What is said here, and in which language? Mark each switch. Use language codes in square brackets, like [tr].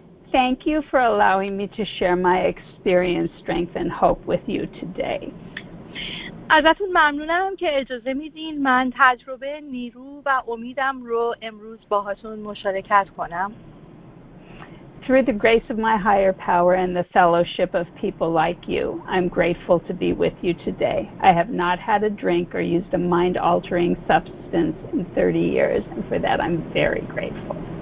[en] Thank you for allowing me to share my experience, strength and hope with you today. [fa] ازتون ممنونم که اجازه میدین من تجربه نیرو و امیدم رو امروز باهاتون مشارکت کنم. [en] Through the grace of my higher power and the fellowship of people like you, I'm grateful to be with you today. I have not had a drink or used a mind-altering substance in 30 years, and for that I'm very grateful.